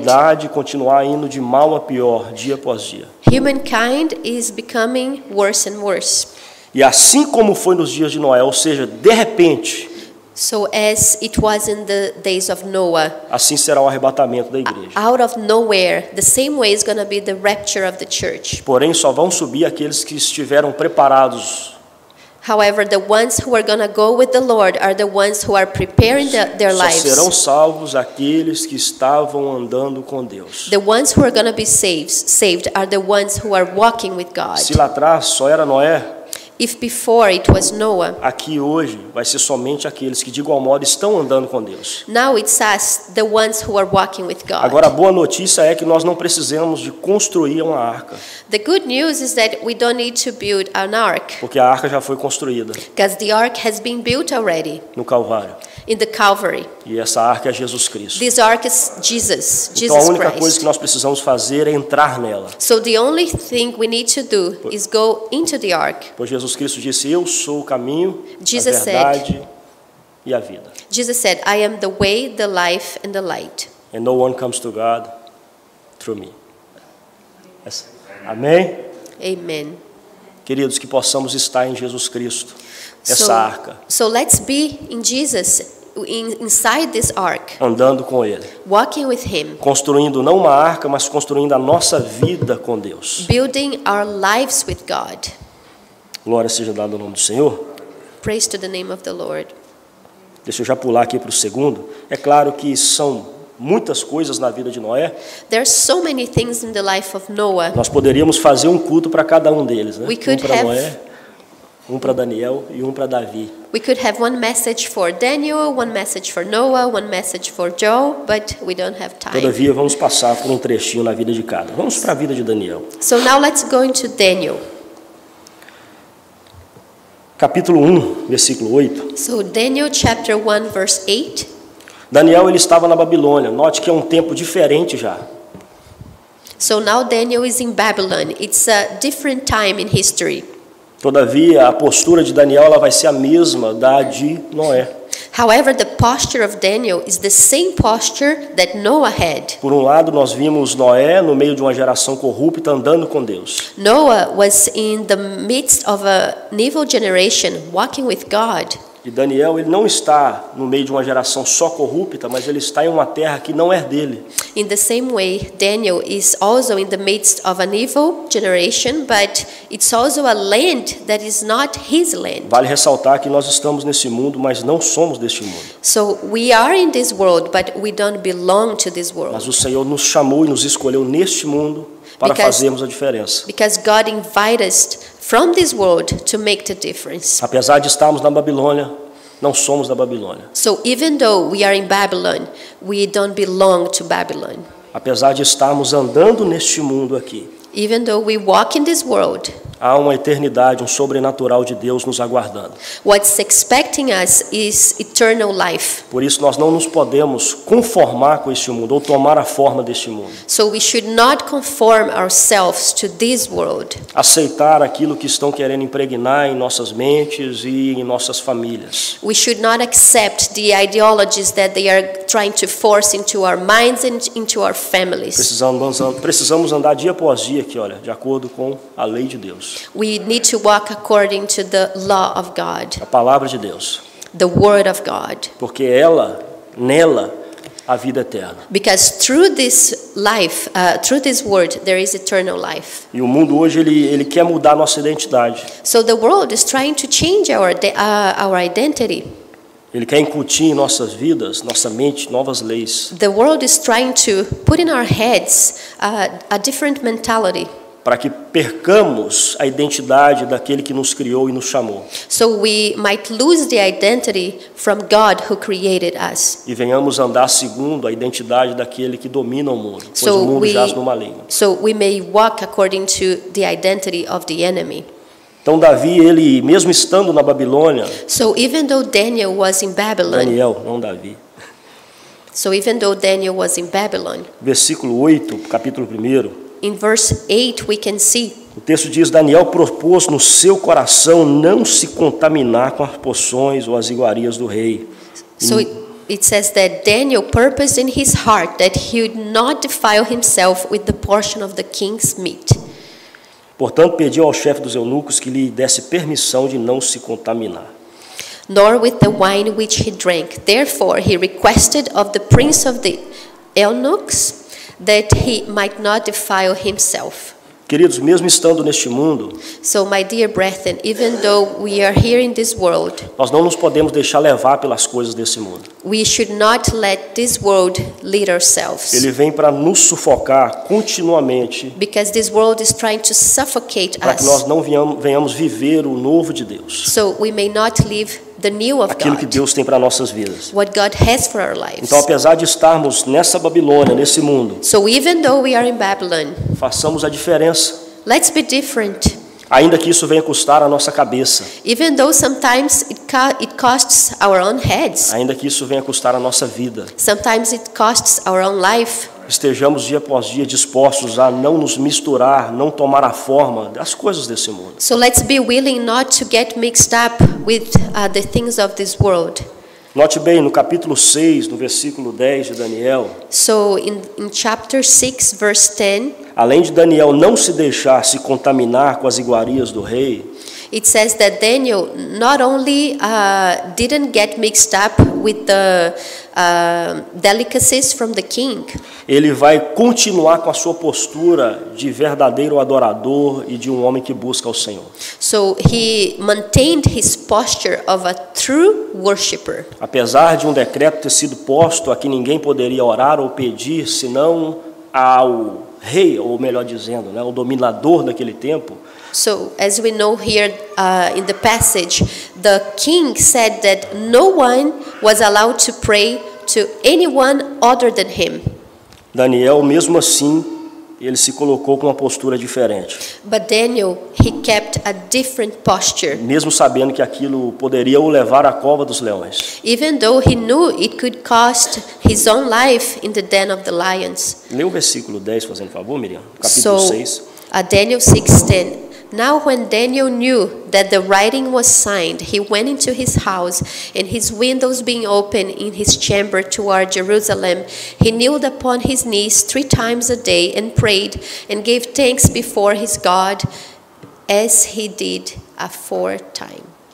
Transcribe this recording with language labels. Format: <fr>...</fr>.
<pt>A humanidade continuará indo de mal a pior, dia após dia.</pt> <en>Humankind is becoming worse and worse.</en> <pt>E assim como foi nos dias de Noé, ou seja, de repente.</pt> <en>So as it was in the days of Noah.</en> <pt>Assim será o arrebatamento da igreja.</pt> <en>Out of nowhere, the same way is going to be the rapture of the church.</en> <pt>Porém, só vão subir aqueles que estiveram preparados.</pt> <en>However, the ones who are going to go with the Lord are the ones who are preparing their lives.</en> <pt>Só serão salvos aqueles que estavam andando com Deus.</pt> <en>The ones who are going to be saved are the ones who are walking with God.</en> <pt>Se lá atrás só era Noé.</pt> <en>If before it was Noah,</en> <pt>aqui hoje vai ser somente aqueles que de igual modo estão andando com Deus.</pt> <en>Now it's us, the ones who are walking with God.</en> <pt>Agora a boa notícia é que nós não precisamos de construir uma arca.</pt> <en>The good news is that we don't need to build an ark.</en> <pt>Porque a arca já foi construída.</pt> <en>Because the ark has been built already.</en> <pt>No Calvário.</pt> <en>In the Calvary.</en> <pt>E essa arca é Jesus Cristo.</pt> <en>This ark is Jesus.</en> <pt>Então a única coisa que nós precisamos fazer é entrar nela.</pt> <en>So the only thing we need to do is go into the ark.</en> <pt>Pois Jesus Cristo disse: eu sou o caminho,</pt> <en>Jesus,</en> <pt>a verdade e a vida.</pt> <en>Jesus said, I am the way, the life and the light. And no one comes to God through me.</en> <pt>Amém?</pt> <en>Amen.</en> <pt>Queridos, que possamos estar em Jesus Cristo. Essa arca.</pt> <en>So let's be in Jesus, inside this ark.</en> <pt>Andando com ele.</pt> <en>Walking with him.</en> <pt>Construindo não uma arca, mas construindo a nossa vida com Deus.</pt> <en>Building our lives with God.</en> <pt>Glória seja dada ao nome do Senhor.</pt> <en>Praise to the name of the Lord.</en> <pt>Deixa eu já pular aqui para o segundo. É claro que são muitas coisas na vida de Noé.</pt> <en>There are so many things in the life of Noah.</en> <pt>Nós poderíamos fazer um culto para cada um deles, né?</pt> <en>We could</en> <pt>um para</pt> <en>have</en> <pt>Noé, um para Daniel e um para Davi.</pt> <en>We could have one message for Daniel, one message for Noah, one message for Joe, but we don't have time.</en> <pt>Todavia, vamos passar por um trechinho na vida de cada. Vamos para a vida de Daniel.</pt> <en>So now let's go into Daniel.</en> <pt>Capítulo 1, versículo 8.</pt> <en>So Daniel chapter 1 verse 8.</en> <pt>Daniel, ele estava na Babilônia. Note que é um tempo diferente já.</pt> <en>So now Daniel is in Babylon. It's a different time in history.</en> <pt>Todavia, a postura de Daniel, ela vai ser a mesma da de Noé.</pt> <en>However, the posture of Daniel is the same posture that Noah had.</en> <pt>Por um lado, nós vimos Noé no meio de uma geração corrupta andando com Deus.</pt> <en>Noah was in the midst of an evil generation walking with God.</en> <pt>E Daniel, ele não está no meio de uma geração só corrupta, mas ele está em uma terra que não é dele.</pt> <en>In the same way, Daniel is also in the midst of an evil generation, but it's also a land that is not his land.</en> <pt>Vale ressaltar que nós estamos nesse mundo, mas não somos deste mundo.</pt> <en>So we are in this world, but we don't belong to this world.</en> <pt>Mas o Senhor nos chamou e nos escolheu neste mundo para fazermos a diferença.</pt> <en>Because God invited us from this world to make the difference.</en> <pt>Apesar de estarmos na Babilônia, não somos da Babilônia.</pt> <en>So even though we are in Babylon, we don't belong to Babylon.</en> <pt>Apesar de estarmos andando neste mundo aqui,</pt> <en>even though we walk in this world,</en> <pt>há uma eternidade, um sobrenatural de Deus nos aguardando.</pt> <en>What's expecting us is eternal life.</en> <pt>Por isso nós não nos podemos conformar com este mundo ou tomar a forma deste mundo.</pt> <en>So we should not conform ourselves to this world.</en> <pt>Aceitar aquilo que estão querendo impregnar em nossas mentes e em nossas famílias.</pt> <en>We should not accept the ideologies that they are trying to force into our minds and into our families.</en> <pt>Precisamos andar dia após dia aqui, olha, de acordo com a lei de Deus.</pt> <en>We need to walk according to the law of God.</en> <pt>A palavra de Deus.</pt> <en>The word of God.</en> <pt>Porque ela, nela, a vida eterna.</pt> <en>Because through this life, through this word, there is eternal life.</en> <pt>E o mundo hoje ele quer mudar a nossa identidade.</pt> <en>So the world is trying to change our identity.</en> <pt>Ele quer incutir em nossas vidas, nossa mente, novas leis.</pt> <en>The world is trying to put in our heads a different mentality.</en> <pt>Para que percamos a identidade daquele que nos criou e nos chamou.</pt> <en>So we might lose the identity from God who created us.</en> <pt>E venhamos andar segundo a identidade daquele que domina o mundo, pois o mundo jaz no maligno.</pt> <en>So we may walk according to the identity of the enemy.</en> <pt>Então Davi, ele mesmo estando na Babilônia.</pt> <en>So even though Daniel was in Babylon.</en> <pt>Daniel, não Davi.</pt> <en>So even though Daniel was in Babylon.</en> <pt>Versículo 8, capítulo 1.</pt> <en>In verse 8 we can see.</en> <pt>O texto diz: Daniel propôs no seu coração não se contaminar com as poções ou as iguarias do rei.</pt> <en>So it says that Daniel purposed in his heart that he would not defile himself with the portion of the king's meat.</en> <pt>Portanto, pediu ao chefe dos eunucos que lhe desse permissão de não se contaminar.</pt> <en>Nor with the wine which he drank. Therefore he requested of the prince of the eunuchs that he might not defile himself.</en> <pt>Queridos, mesmo estando neste mundo,</pt> <en>so my dear brethren, even though we are here in this world,</en> <pt>nós não nos podemos deixar levar pelas coisas desse mundo.</pt> <en>We should not let this world lead ourselves.</en> <pt>Ele vem para nos sufocar continuamente.</pt> <en>Because this world is trying to suffocate us.</en> <pt>Para que nós não venhamos viver o novo de Deus.</pt> <en>So we may not live the new of God.</en> <pt>Aquilo que Deus tem para nossas vidas.</pt> <en>What God has for our lives.</en> <pt>Então, apesar de estarmos nessa Babilônia, nesse mundo,</pt> <en>so even though we are in Babylon,</en> <pt>façamos a diferença.</pt> <en>Let's be different.</en> <pt>Ainda que isso venha custar a nossa cabeça.</pt> <en>Even though sometimes it costs our own heads.</en> <pt>Ainda que isso venha custar a nossa vida.</pt> <en>Sometimes it costs our own life.</en> <pt>Estejamos dia após dia dispostos a não nos misturar, não tomar a forma das coisas desse mundo.</pt> <en>So let's be willing not to get mixed up with the things of this world.</en> <pt>Note bem, no capítulo 6, no versículo 10 de Daniel.</pt> <en>So in chapter 6, verse 10.</en> <pt>Além de Daniel não se deixar se contaminar com as iguarias do rei.</pt> <en>It says that Daniel not only didn't get mixed up with the delicacies from the king.</en> <pt>Ele vai continuar com a sua postura de verdadeiro adorador e de um homem que busca o Senhor.</pt> <en>So he maintained his posture of a true worshipper.</en> <pt>Apesar de um decreto ter sido posto a que ninguém poderia orar ou pedir senão ao rei, ou melhor dizendo, né, o dominador daquele tempo.</pt> <en>So, as we know here in the passage, the king said that no one was allowed to pray to anyone other than him.</en> <pt>Daniel, mesmo assim, ele se colocou com uma postura diferente.</pt> <en>But Daniel, he kept a different posture.</en> <pt>Mesmo sabendo que aquilo poderia o levar à cova dos leões.</pt> <en>Even though he knew it could cost his own life in the den of the lions.</en> <pt>Lê o versículo 10, fazendo favor, Miriam. Capítulo</pt> <en>so,</en> <pt>6.</pt> <en>Daniel 6:10. Now when Daniel knew that the writing was signed, he went into his house, and his windows being open in his chamber toward Jerusalem, he kneeled upon his knees three times a day and prayed and gave thanks before his God as he did aforetime.</en>